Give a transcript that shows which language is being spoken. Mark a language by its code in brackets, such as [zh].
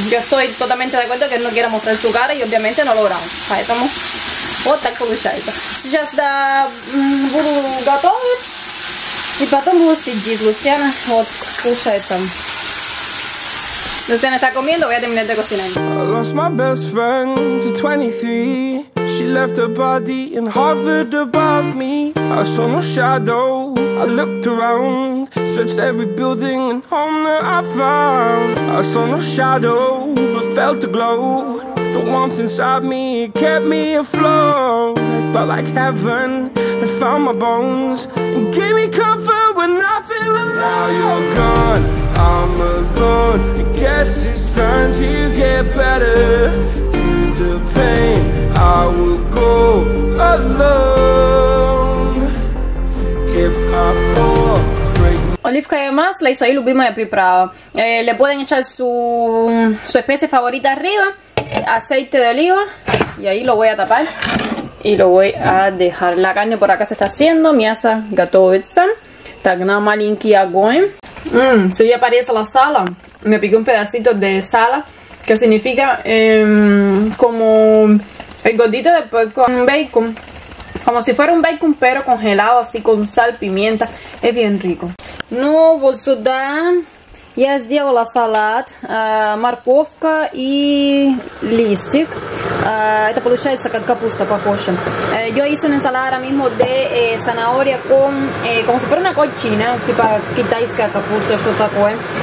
[ru] Я [es] estoy totalmente de acuerdo, que él no quiere mostrar su cara y obviamente no lo grabo. [ru] Поэтому вот так получается. Сейчас да, буду готовить. И потом буду сидеть, Лусяна вот кушает там. [es] Лусяна está comiendo, voy a terminar de cocinar. [en] I lost my best friend to 23. She left her body in Harvard above me. I saw no shadow, I looked around. Searched every building and home that I found. I saw no shadow, but felt a glow. The warmth inside me kept me afloat. It felt like heaven had found my bones and gave me comfort when I feel alone. Now you're gone, I'm alone. I guess it's time to get better. Through the pain, I will go alone. If I fall. [ru] Оливковое масло и свою любимую приправу. [es] Le pueden echar su especie favorita arriba, aceite de oliva, y ahí lo voy a tapar y lo voy a dejar. La carne por acá se está haciendo, [ru] мясо готовится. Так, на маленький огонь. [es] Si ya aparece la sala, me piqué un pedacito de sala, que significa como el gordito de puerco con bacon. Como si fuera un bacon, pero congelado así con sal, pimienta. Es bien rico. [ru] Ну, вот сюда я сделала салат, морковка и листик. Это получается как капуста похоже. [es] Yo hice un ensalada ahora mismo de zanahoria con, como si fuera una cochina, [ru] типа китайская капуста, что такое.